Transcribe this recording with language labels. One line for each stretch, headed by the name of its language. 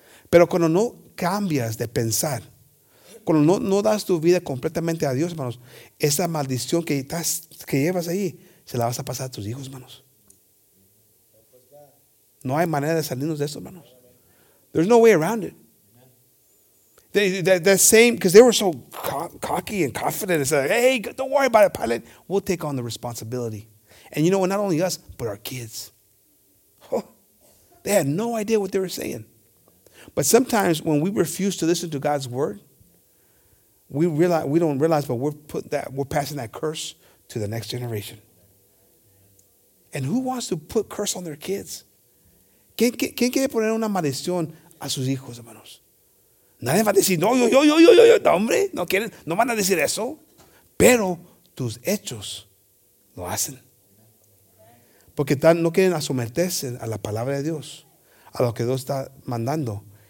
Spanish: Pero cuando no cambias de pensar, cuando no das tu vida completamente a Dios, hermanos, esa maldición que llevas ahí, se la vas a pasar a tus hijos, hermanos. No hay manera de salirnos de eso, hermanos.
English: There's no way around it. The same, because they were so cocky and confident. It's like, hey, don't worry about it, Pilate. We'll take on the responsibility. And you know what? Not only us, but our kids. They had no idea what they were saying. But sometimes when we refuse to listen to God's word, we don't realize, but we're passing that curse to the next generation. And who wants to put curse on their kids?
Spanish: ¿Quién quiere poner una maldición a sus hijos, hermanos? Nadie va a decir, no, no, hombre, no quieren, no van a decir eso. Pero tus hechos lo hacen. Porque están, no quieren someterse a la palabra de Dios, a lo que Dios está mandando.